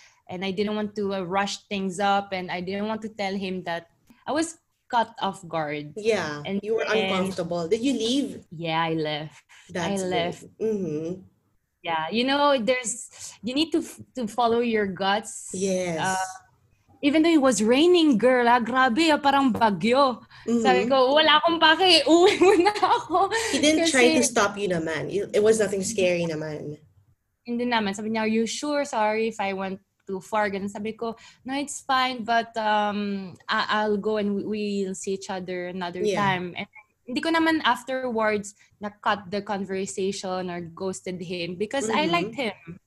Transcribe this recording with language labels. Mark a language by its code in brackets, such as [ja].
[en] And I didn't want to rush things up and I didn't want to tell him that I was caught off guard. Yeah, and you were uncomfortable. Did you leave? Yeah, I left. That's I left. Mm-hmm. Yeah, you know, there's, you need to follow your guts. Yes. Even though it was raining, girl, ah, grabe, ah, [tl] parang bagyo. Sabi ko, wala akong pake, uwi mo na ako. [en] He didn't try to stop you naman. It was nothing scary naman. [tl] Hindi naman. Sabi niya, [en] are you sure? Sorry if I went too far. Ganun. [tl] Sabi ko, [en] no, it's fine, but I'll go and we'll see each other another time. And [tl] hindi ko naman [en] afterwards na cut the conversation or ghosted him because I liked him.